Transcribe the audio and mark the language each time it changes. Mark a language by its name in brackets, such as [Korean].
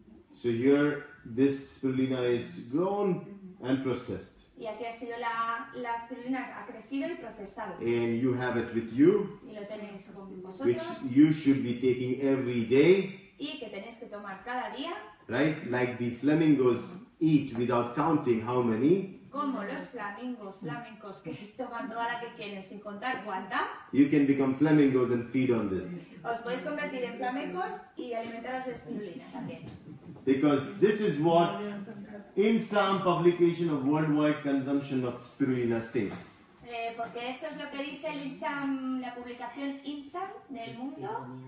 [English] So here, this spirulina is grown and processed. [Spanish] Y aquí ha sido la spirulina ha crecido y procesado. [English] And you have it with you. [Spanish] Y lo tenéis con vosotros. [English] Which you should be taking every day. [Spanish] Y que tenéis que tomar cada día. [English] Right? Like the flamingos eat without counting how many. [Spanish] Como los flamencos que toman toda la que quieren sin contar cuánta. [English] You can become flamingos and feed on this. [Spanish] Os podéis convertir en flamencos y alimentaros de spirulina también. [English] Because this is what in some publication of worldwide consumption of spirulina states. [Spanish] Porque esto es lo que dice el INSAM, la publicación INSAM del mundo.